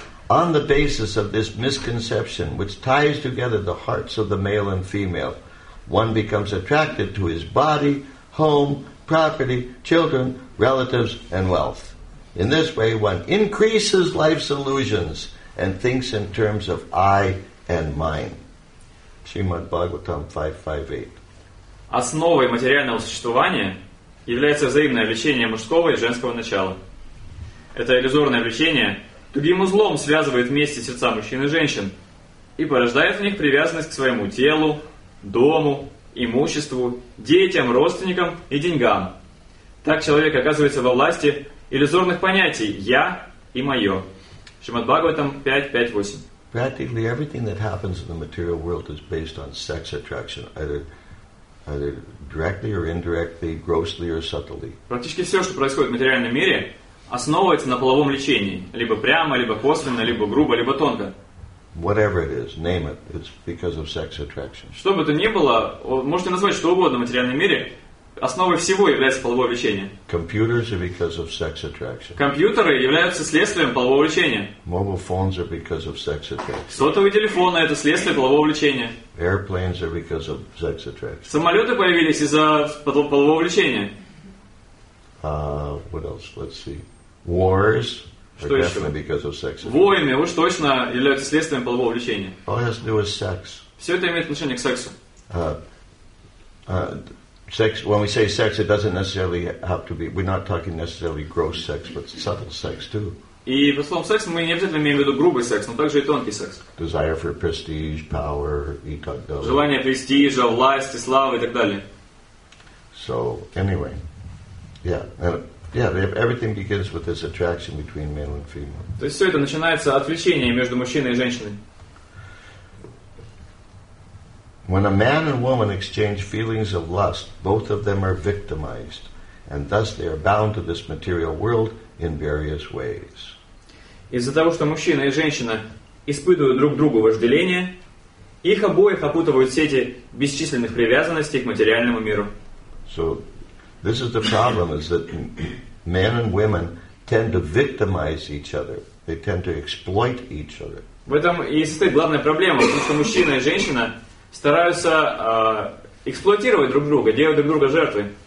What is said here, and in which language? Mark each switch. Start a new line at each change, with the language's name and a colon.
English: On the basis of this misconception, which ties together the hearts of the male and female, one becomes attracted to his body, home, property, children, relatives, and wealth. In this way, one increases life's illusions and thinks in terms of I and mine. Srimad Bhagavatam 5.5.8.
Russian: Основой материального существования является взаимное влечение мужского и женского начала. Это иллюзорное влечение тугим узлом связывает вместе сердца мужчин и женщин и порождает в них привязанность к своему телу, дому, имуществу, детям, родственникам и деньгам. Так человек оказывается во власти иллюзорных понятий «я» и «моё». Шримад Бхагаватам 5.5.8.
English: Practically everything that happens in the material world is based on sex attraction, either directly or indirectly, grossly or subtly.
Russian: Практически все, что происходит в материальном мире, основывается на половом влечении, либо прямо, либо косвенно, либо грубо, либо тонко.
English: Whatever it is, name it. It's because of sex attraction.
Russian: Что бы то ни было, можете назвать что угодно в материальном мире, основой всего является половое влечение.
English: Computers are because of sex attraction.
Russian: Компьютеры являются следствием полового влечения.
English: Mobile phones are because of sex attraction.
Russian: Сотовые телефоны — это следствие полового влечения.
English: Airplanes are because of sex attraction.
Russian: Самолеты появились из-за полового влечения.
English: What else? Let's see. Wars.
Russian: Что
English: are definitely because of sex attraction.
Russian: Войны уж точно являются следствием полового влечения.
English: All has to do with sex.
Russian: Все это имеет отношение к сексу.
English: Sex, when we say sex, it doesn't necessarily have to be, we're not talking necessarily gross sex, but subtle sex too.
Russian: И по словам секс мы не обязательно имеем в виду грубый секс, но также и тонкий секс.
English: Desire for prestige, power,
Russian: и так далее. Желание престижа, власти, славы и так далее.
English: So, anyway, yeah, everything begins with this attraction between male and female.
Russian: То есть все это начинается от влечения между мужчиной и женщиной.
English: When a man and woman exchange feelings of lust, both of them are victimized, and thus they are bound to this material world in various ways.
Russian: Из-за того, что мужчина и женщина испытывают друг другу вожделение, их обоих опутывают сети бесчисленных привязанностей к материальному миру.
English: So, this is the problem, is that men and women tend to victimize each other. They tend to exploit each other.
Russian: В этом и состоит главная проблема, потому что мужчина и женщина стараются эксплуатировать друг друга, делать друг друга жертвы.